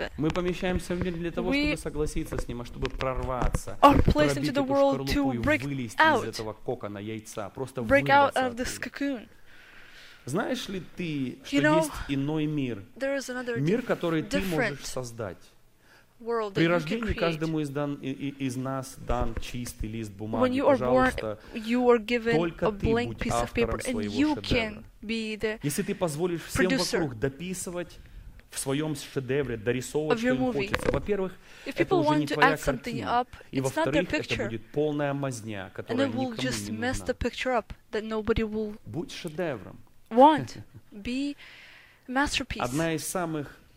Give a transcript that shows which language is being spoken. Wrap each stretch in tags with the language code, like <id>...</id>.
<ru>Мы помещаемся в мир не для того, чтобы согласиться с ним, а чтобы прорваться, пробить эту скорлупу и вылезть из этого кокона, яйца, просто вырваться. Знаешь ли ты, что есть иной мир? Мир, который ты можешь создать. При рождении каждому из нас дан чистый лист бумаги.</ru> <en>When you are born, you are given</en> <ru>только</ru> <en>a blank piece of paper, and you can be the producer.</en> <ru>Если ты позволишь всем вокруг дописывать в своем шедевре, дорисовывать, что им хочется. Во-первых, это уже не твоя картина. И во-вторых, это будет полная мазня, которая никому не нужна. Будь шедевром.</ru> <en>Be masterpiece.</en>